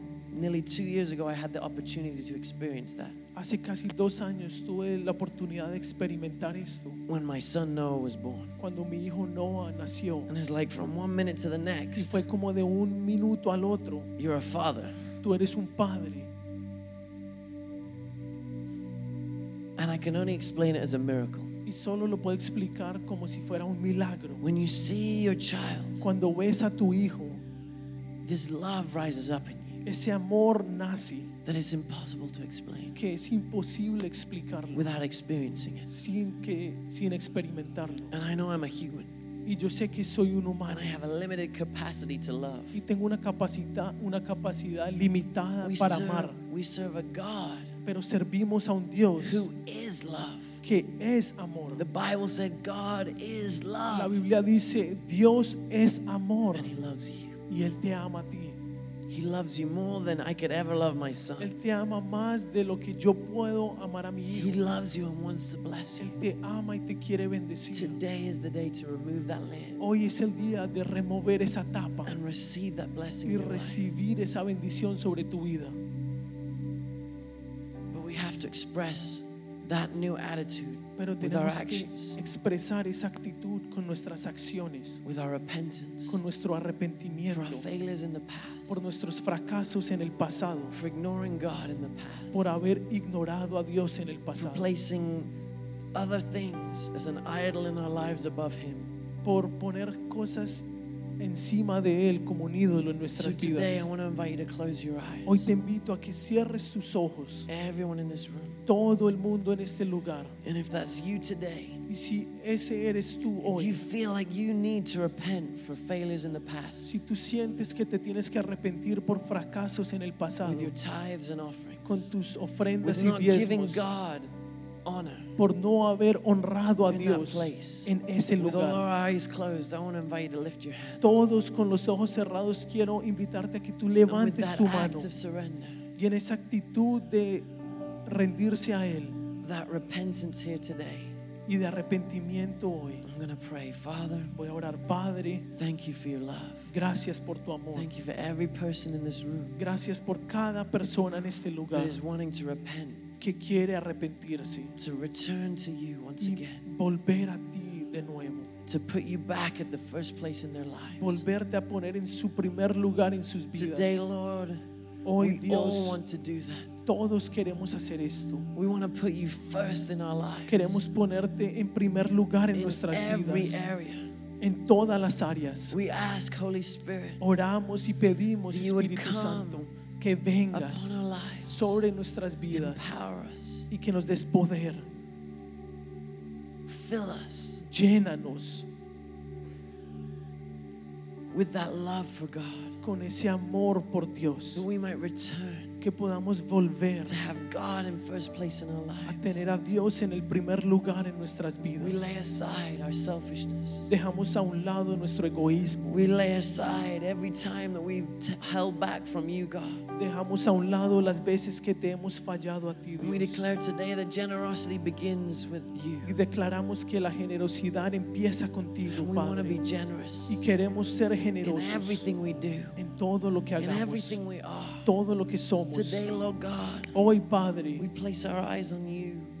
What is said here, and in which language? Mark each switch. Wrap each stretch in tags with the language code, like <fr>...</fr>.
<en>Nearly 2 years ago, I had the opportunity to experience that.</en> <es>Hace casi dos años tuve la oportunidad de experimentar esto.</es> <en>When my son Noah was born.</en> <es>Cuando mi hijo Noah nació.</es> <en>And it's like from 1 minute to the next.</en> <es>Y fue como de un minuto al otro.</es> <en>You're a father.</en> <es>Tú eres un padre.</es> <en>And I can only explain it as a miracle.</en> <es>Y solo lo puedo explicar como si fuera un milagro.</es> <en>When you see your child.</en> <es>Cuando ves a tu hijo.</es> <en>This love rises up in you.</en> <es>Ese amor nace.</es> <en>That is impossible to explain.</en> <es>Que es imposible explicarlo.</es> <en>Without experiencing it.</en> <es>Sin experimentarlo.</es> <en>And I know I'm a human.</en> <es>Y yo sé que soy un humano.</es> <en>And I have a limited capacity to love.</en> <es>Y tengo una capacidad limitada para amar.</es> <en>We serve a God.</en> <es>Pero servimos a un Dios.</es> <en>Who is love.</en> <es>Que es amor.</es> <en>The Bible said God is love.</en> <es>La Biblia dice Dios es amor.</es> <en>And he loves you.</en> <es>Y él te ama a ti.</es> <en>He loves you more than I could ever love my son.</en> <es>Él te ama más de lo que yo puedo amar a mi hijo.</es> <en>He loves you and wants to bless you.</en> <es>Él te ama y te quiere bendecir.</es> <en>Today is the day to remove that lid.</en> <es>Hoy es el día de remover esa tapa.</es> <en>And receive that blessing.</en> <es>Y recibir esa bendición sobre tu vida.</es> <en>But we have to express that new attitude.</en> <es>Pero tenemos</es> <en>with our actions,</en> <es>que expresar esa actitud con nuestras acciones,</es> <en>with our repentance,</en> <es>con nuestro arrepentimiento,</es> <en>for our failures in the past,</en> <es>por nuestros fracasos en el pasado,</es> <en>for ignoring God in the past,</en> <es>por haber ignorado a Dios en el pasado,</es> <en>for placing other things as an idol in our lives above Him,</en> <es>por poner cosas encima de Él como un ídolo en nuestras</es> <en>so today, I want to invite you to close your eyes.</en> <es>Hoy te invito a que cierres tus ojos.</es> <en>Everyone in this room.</en> <es>Todo el mundo en este lugar.</es> <en>And if that's you today,</en> <es>y si ese eres tú hoy,</es> <en>if you feel like you need to repent for failures in the past,</en> <es>si tú sientes que te tienes que arrepentir por fracasos en el pasado,</es> <en>with your tithes and offerings,</en> <es>con tus ofrendas</es> <en>with</en> <es>y diezmos,</es> <en>not giving God honor,</en> <es>por no haber honrado a Dios</es> <en>place,</en> <es>en ese lugar.</es> <en>With all our eyes closed, I want to invite you to lift your hand.</en> <es>Todos con los ojos cerrados quiero invitarte a que tú levantes</es> <en>and with that</en> <es>tu mano</es> <en>act of surrender,</en> <es>y en esa actitud de rendirse a Él,</es> <en>that repentance here today,</en> <es>y de arrepentimiento hoy.</es> <en>I'm going to pray, Father,</en> <es>voy a orar, Padre,</es> <en>thank you for your love,</en> <es>gracias por tu amor,</es> <en>thank you for every person in this room,</en> <es>gracias por cada persona en este lugar</es> <en>that is wanting to repent,</en> <es>que quiere arrepentirse,</es> <en>to return to you once again,</en> <es>volver a ti de nuevo,</es> <en>to put you back at the first place in their lives,</en> <es>volverte a poner en su primer lugar en sus vidas.</es> <en>Today, Lord,</en> <es>hoy,</es> <en>we</en> <es>Dios,</es> <en>all want to do that.</en> <es>Todos queremos hacer esto.</es> <en>We want to put you first in our lives.</en> <es>Queremos ponerte en primer lugar en</es> <en>in</en> <es>nuestras</es> <en>every</en> <es>vidas.</es> <en>Area.</en> <es>En todas las áreas.</es> <en>We ask, Holy Spirit,</en> <es>oramos y pedimos, Espíritu Santo, que vengas</es> <en>upon our lives,</en> <es>sobre nuestras vidas,</es> <en>empower us,</en> <es>y que nos des poder.</es> <en>Fill us.</en> <es>Llénanos.</es> <en>With that love for God.</en> <es>Con ese amor por Dios.</es> <en>That we might return.</en> <es>Que podamos volver</es> <en>to have God in first place in our lives.</en> <es>A tener a Dios en el primer lugar en nuestras vidas.</es> <en>We lay aside our selfishness.</en> <es>Dejamos a un lado nuestro egoísmo.</es> <en>We lay aside every time that we've held back from you, God.</en> <es>Dejamos a un lado las veces que te hemos fallado a ti, Dios.</es> <en>We declare today that generosity begins with you.</en> <es>Y declaramos que la generosidad empieza contigo,</es> <en>and</en> <es>Padre.</es> <en>We want to be generous.</en> <es>Y queremos ser generosos</es> <en>in everything we do.</en> <es>En todo lo que hagamos.</es> <en>In everything we are.</en> <es>Todo lo que somos.</es> <en>Today, Lord God,</en> <es>hoy, Padre,</es> <en>we place our eyes on you.</en>